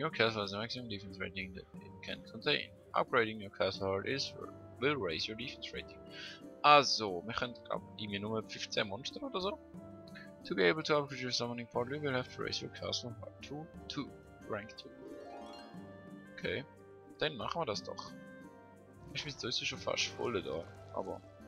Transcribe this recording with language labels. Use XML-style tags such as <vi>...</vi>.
<en>Your castle has the maximum defense rating that it can contain. Upgrading your castle heart is will raise your defense rating.</en> <de>Also, wir können glaube nur 15 Monster oder so.</de> <en>To be able to upgrade your summoning portal, you will have to raise your castle heart to 2.</en> <de>Rank 2. Okay, dann machen wir das doch. Ich bin sowieso schon fast voll da, aber.</de>